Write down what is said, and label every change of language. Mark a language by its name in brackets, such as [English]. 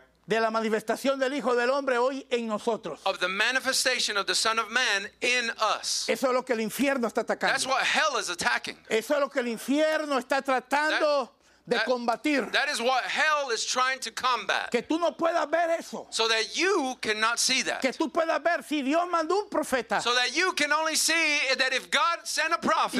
[Spanish] de la manifestación del Hijo del Hombre hoy en nosotros. [English] Of the manifestation of the Son of Man in us. [Spanish] Eso es lo que el infierno está atacando. [English] That's what hell is attacking. [Spanish] Eso es lo que el infierno está tratando de combatir. [English] That is what hell is trying to combat. [Spanish] Que tú no puedas ver eso. [English] So that you cannot see that. [Spanish] Que tú puedas ver si Dios mandó un profeta. [English] So that you can only see that if God sent a prophet.